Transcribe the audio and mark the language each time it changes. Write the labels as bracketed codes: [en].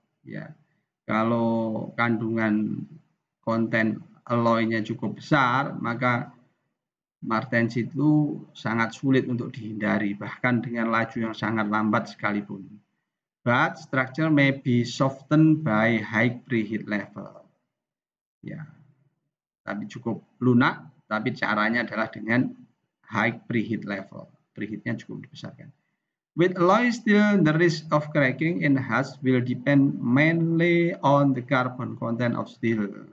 [id] Ya, kalau kandungan konten alloy-nya cukup besar, maka martensit itu sangat sulit untuk dihindari, bahkan dengan laju yang sangat lambat sekalipun. [en] But structure may be softened by high preheat level. [id] Ya, tapi cukup lunak, tapi caranya adalah dengan high preheat level. Preheatnya cukup dibesarkan. [en] With alloy steel, the risk of cracking in hash will depend mainly on the carbon content of steel.